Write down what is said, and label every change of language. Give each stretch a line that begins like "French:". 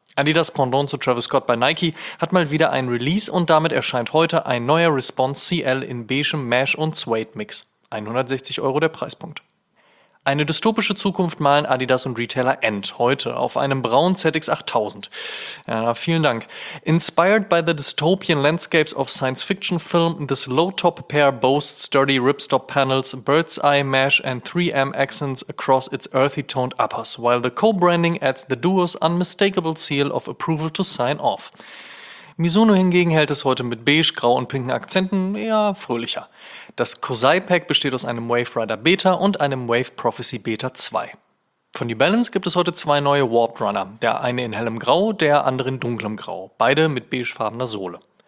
German: Adidas Pendant zu Travis Scott bei Nike hat mal wieder ein Release und damit erscheint heute ein neuer Response CL in beigem Mesh und Suede Mix. 160 Euro der Preispunkt. Eine dystopische Zukunft malen Adidas und Retailer End heute auf einem braunen ZX8000. Ja, vielen Dank.
English: Inspired by the dystopian landscapes of science fiction film, this low-top pair boasts sturdy ripstop panels, bird's eye mesh and 3M accents across its earthy toned uppers, while the co-branding adds the duo's unmistakable seal of approval to sign off.
German: Mizuno hingegen hält es heute mit beige, grau und pinken Akzenten eher fröhlicher. Das Kosai-Pack besteht aus einem Wave Rider Beta und einem Wave Prophecy Beta 2. Von New Balance gibt es heute 2 neue Warped Runner, der eine in hellem Grau, der andere in dunklem Grau, beide mit beigefarbener Sohle.